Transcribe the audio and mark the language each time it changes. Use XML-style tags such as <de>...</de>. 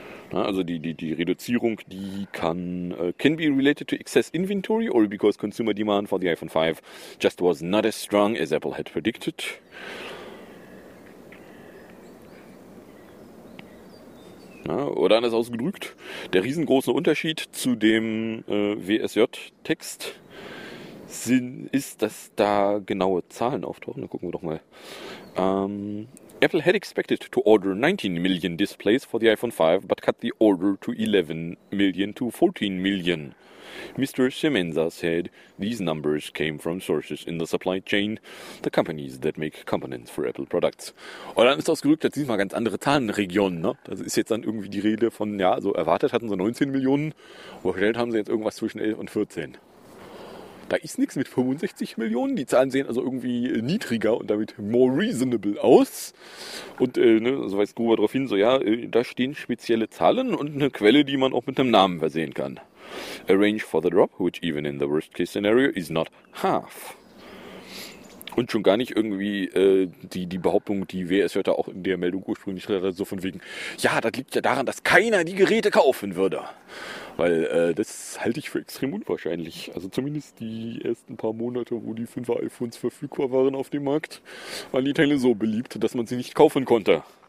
<de>Also die Reduzierung, die kann</de> <en>can be related to excess inventory or because consumer demand for the iPhone 5 just was not as strong as Apple had predicted.</en> <de>Na, oder anders ausgedrückt, der riesengroße Unterschied zu dem WSJ-Text ist, dass da genaue Zahlen auftauchen. Da gucken wir doch mal.</de> <en>Apple had expected to order 19 million displays for the iPhone 5, but cut the order to 11 million to 14 million. Mr. Semenza said these numbers came from sources in the supply chain, the companies that make components for Apple products.</en> <de>Und dann ist ausgerückt, das sind mal ganz andere Zahlenregionen, ne? Das ist jetzt dann irgendwie die Rede von, ja, so erwartet hatten sie 19 Millionen, bestellt haben sie jetzt irgendwas zwischen 11 und 14. Da ist nichts mit 65 Millionen. Die Zahlen sehen also irgendwie niedriger und damit</de> <en>more reasonable</en> <de>aus. Und ne, so weist Gruber darauf hin, so ja, da stehen spezielle Zahlen und eine Quelle, die man auch mit einem Namen versehen kann.</de> <en>A range for the drop, which even in the worst case scenario is not half.</en> <de>Und schon gar nicht irgendwie die Behauptung, die WSJ da auch in der Meldung ursprünglich hatte, so von wegen, ja, das liegt ja daran, dass keiner die Geräte kaufen würde. Weil das halte ich für extrem unwahrscheinlich. Also zumindest die ersten paar Monate, wo die 5er iPhones verfügbar waren auf dem Markt, waren die Teile so beliebt, dass man sie nicht kaufen konnte.</de>